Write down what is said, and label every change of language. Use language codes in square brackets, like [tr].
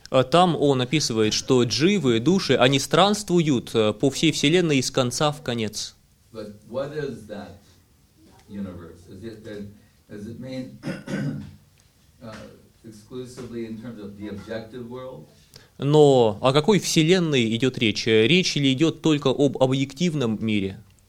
[ru] Там он описывает, что дживы, души, они странствуют по всей вселенной из конца в конец. [en] But what is that universe? Is it that, does it mean exclusively in terms of the objective world? [ru] Но о какой вселенной идет речь? Речь или идет только об объективном мире?